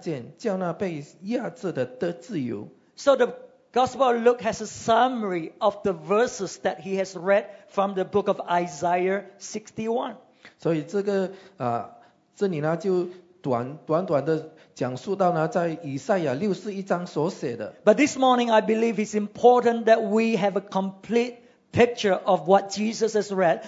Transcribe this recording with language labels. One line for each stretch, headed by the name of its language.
Chinese: 第十八节，主的灵在我身上，因为他用高高我，叫我传福音给贫穷的人，差遣我报告被掳的得释放，瞎眼的得看见，叫那被压制的得自由。
English: So the Gospel of Luke has a summary of the verses that he has read from the book of Isaiah 61.
Chinese: 所以这里呢就短短的。讲述到呢，在以赛亚61章所写的。
English: But this morning, I believe it's important that we have a complete picture of what Jesus has read.